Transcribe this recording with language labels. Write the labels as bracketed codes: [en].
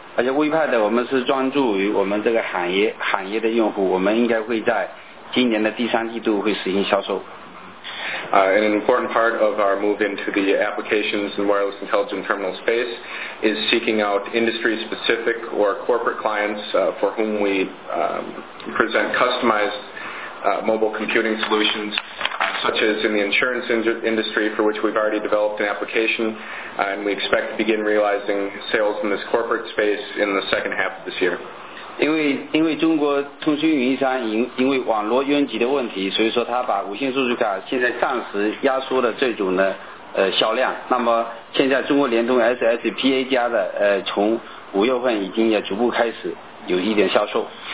[zh] 而且WePad我们是专注于我们这个行业的用户，我们应该会在今年的第三季度会实行销售。 [en] An important part of our move into the applications and wireless intelligent terminal space is seeking out industry-specific or corporate clients for whom we present customized mobile computing solutions, such as in the insurance industry, for which we've already developed an application, and we expect to begin realizing sales in this corporate space in the second half of this year. [zh] 因为中国通讯运营商因为网络拥挤的问题，所以说他把无线数据卡现在暂时压缩了这种的销量。那么现在中国联通 SSPA 加的从五月份已经也逐步开始有一点销售。